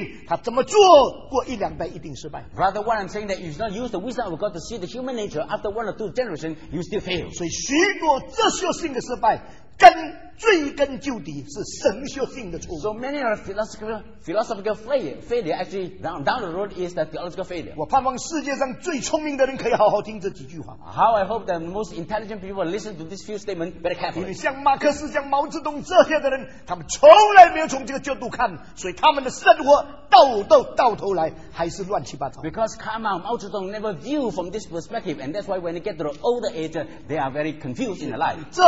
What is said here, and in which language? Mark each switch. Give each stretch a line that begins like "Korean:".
Chinese: 我是说，如果一个人没有从神所给我们的智慧去看人性，他怎么做过一两代一定失败。
English: Rather, what I'm saying that you should not use the wisdom of God to see the human nature after one or two generations, you still fail.
Chinese: 所以，许多哲学性的失败。根追根究底是神学性的错误。
English: So many of philosophical failure actually down the road is the theological failure.
Chinese: 我盼望世界上最聪明的人可以好好听这几句话。
English: How I hope that most intelligent people listen to this few statements very carefully.
Chinese: 因为像马克思、像毛泽东这些的人，他们从来没有从这个角度看，所以他们的生活到头来还是乱七八糟。
English: Because Karl Marx, Mao Zedong never view from this perspective, and that's why when they get to the older age, they are very confused in their life.